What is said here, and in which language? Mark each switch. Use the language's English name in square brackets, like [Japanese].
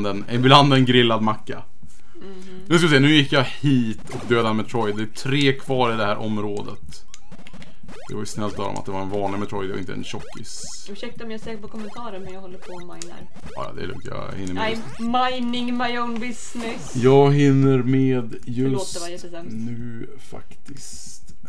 [Swedish] Ibland en grillad macka. Mm-hmm. Nu ska vi se, nu gick jag hit och dödade Metroid. Det är 3 kvar i det här området. Det var ju snällt av dem att det var en vanlig Metroid och inte en tjockis. Ursäkta om jag ser på kommentaren, men jag håller på och minar. Ja, det är lugnt, jag hinner med. [English] I'm mining my own business. [Swedish] Jag hinner med just nu faktiskt.